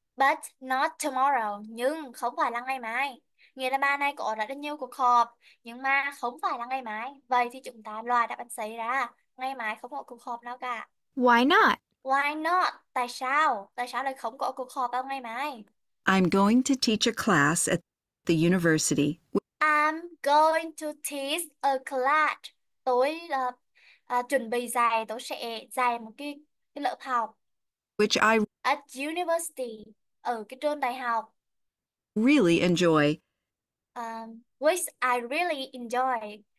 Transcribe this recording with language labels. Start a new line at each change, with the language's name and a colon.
English: But not tomorrow.
Vietnamese: Nhưng không phải là ngày mai. Nghĩa là ba nay có rất là nhiều cuộc họp, nhưng mà không phải là ngày mai. Vậy thì chúng ta loại đáp án C ra. Ngày mai không có cuộc họp nào cả.
English: Why not? Why not?
Vietnamese: Tại sao? Tại sao lại không có cuộc họp vào ngày mai?
English: I'm going to teach a class at the university. I'm going to teach a class.
Vietnamese: Tôi chuẩn bị dạy, tôi sẽ dạy một cái lớp học.
English: Which I At university,
Vietnamese: ở cái trường đại học.
English: really enjoy. Which I really enjoy.